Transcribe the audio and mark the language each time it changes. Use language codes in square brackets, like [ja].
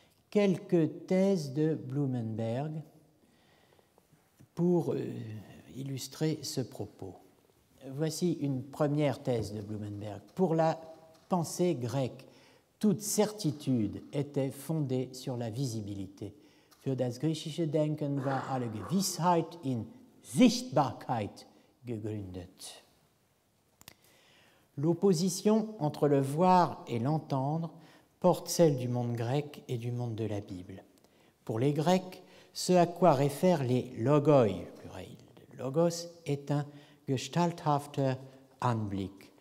[fr] Quelques thèses de Blumenberg pour illustrer ce propos. Voici une première thèse de Blumenberg. Pour la pensée grecque, toute certitude était fondée sur la visibilité. [de] Für das griechische Denken war alle Gewissheit in Sichtbarkeit gegründet. [fr] L'opposition entre le voir et l'entendre porte celle du monde grec et du monde de la Bible. Pour les Grecs, ce à quoi réfèrent les logoi, pluriel de logos, est un [de] gestalthafter Anblick.